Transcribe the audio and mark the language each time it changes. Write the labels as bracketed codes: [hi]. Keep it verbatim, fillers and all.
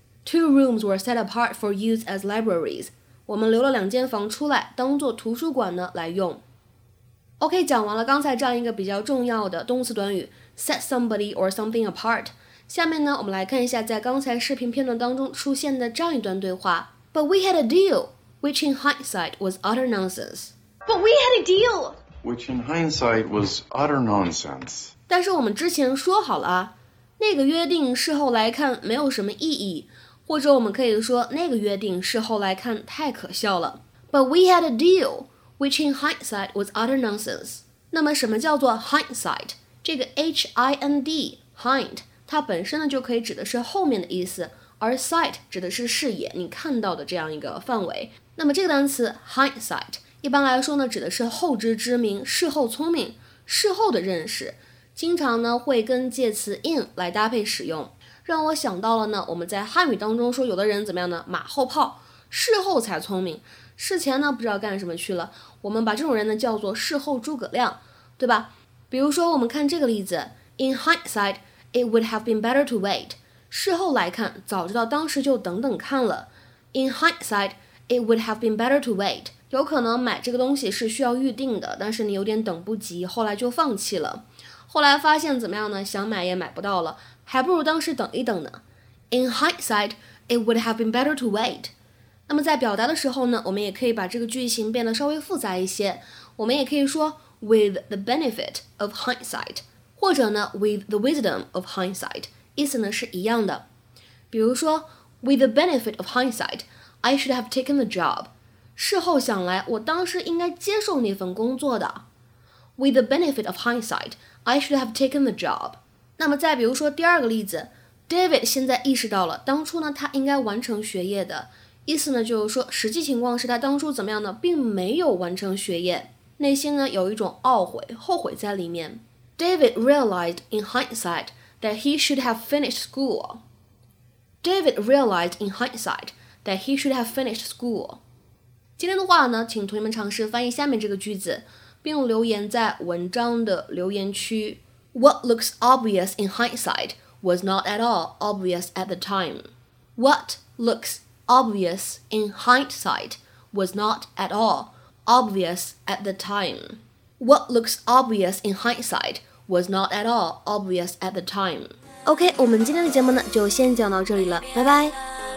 [en] Two rooms were set apart for use as libraries. [zh] 我们留了两间房出来，当做图书馆呢来用。 OK， 讲完了刚才这样一个比较重要的动词短语 [en] set somebody or something apart。 [zh] 下面呢，我们来看一下在刚才视频片段当中出现的这样一段对话。 [en] But we had a deal, which in hindsight was utter nonsense. But we had a deal, which in hindsight was utter nonsense. [zh] 但是我们之前说好了啊，那个约定事后来看没有什么意义。或者我们可以说那个约定事后来看太可笑了。 [en] But we had a deal, which in hindsight was utter nonsense. [zh] 那么什么叫做 hindsight? 这个 H I N D, hind, 它本身呢就可以指的是后面的意思，而 sight 指的是视野，你看到的这样一个范围。那么这个单词 hindsight 一般来说呢，指的是后知之明、事后聪明、事后的认识，经常呢会跟介词 in 来搭配使用，让我想到了呢，我们在汉语当中说有的人怎么样呢，马后炮，事后才聪明，事前呢不知道干什么去了，我们把这种人呢叫做事后诸葛亮，对吧？比如说我们看这个例子 [en] In hindsight, it would have been better to wait. [zh] 事后来看，早知道当时就等等看了。 [en] In hindsight, it would have been better to wait. [zh] 有可能买这个东西是需要预定的，但是你有点等不及，后来就放弃了，后来发现怎么样呢，想买也买不到了，还不如当时等一等呢。 [en] In hindsight, it would have been better to wait. [zh] 那么在表达的时候呢，我们也可以把这个句型变得稍微复杂一些，我们也可以说 [en] with the benefit of hindsight, [zh] 或者呢 [en] with the wisdom of hindsight, [zh] 意思呢是一样的。比如说 [en] with the benefit of hindsight, I should have taken the job. [zh] 事后想来，我当时应该接受那份工作的。 [en] With the benefit of hindsight, I should have taken the job. [zh] 那么再比如说第二个例子 David 现在意识到了当初呢他应该完成学业的，意思呢就是说实际情况是他当初怎么样呢，并没有完成学业，内心呢有一种懊悔后悔在里面。 [en] David realized in hindsight that he should have finished school. David realized in hindsight that he should have finished school. [zh] 今天的话呢，请同学们尝试翻译下面这个句子，并留言在文章的留言区。 [en] What looks obvious in hindsight was not at all obvious at the time. What looks obvious in hindsight was not at all obvious at the time. What looks obvious in hindsight was not at all obvious at the time. [zh] OK, 我们今天的节目呢就先讲到这里了，拜拜。